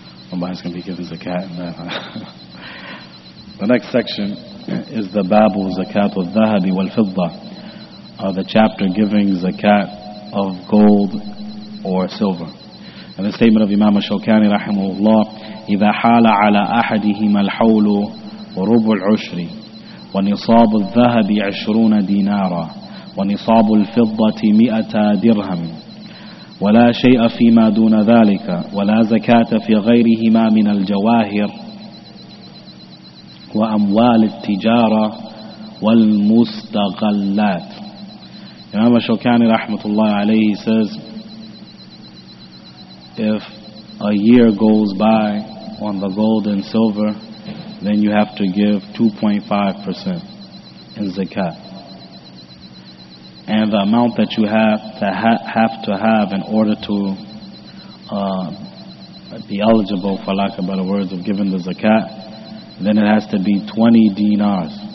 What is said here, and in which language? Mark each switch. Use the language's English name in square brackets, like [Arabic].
[English] Nobody's going to be giving zakat in that. The next section is the Babu Zakat of Dhahabi wal Fidda. The chapter giving zakat of gold or silver. And the statement of Imam Ash-Shawkani [Arabic] rahimahullah, إِذَا حَالَ عَلَىٰ أَحَدِهِمَ الْحَوْلُ وَرُبُ الْعُشْرِ ونصاب الذهب 20 دينارا ونصاب الفضة 100 درهم ولا شيء فيما دون ذلك ولا زكاة في غيرهما من الجواهر وأموال التجارة والمستغلات. [English] Imam Ash-Shawkani rahmatullah alayhi says, if a year goes by on the gold and silver, then you have to give 2.5% in zakat. And the amount that you have to have in order to be eligible, for lack of better words, of giving the zakat, then it has to be 20 dinars.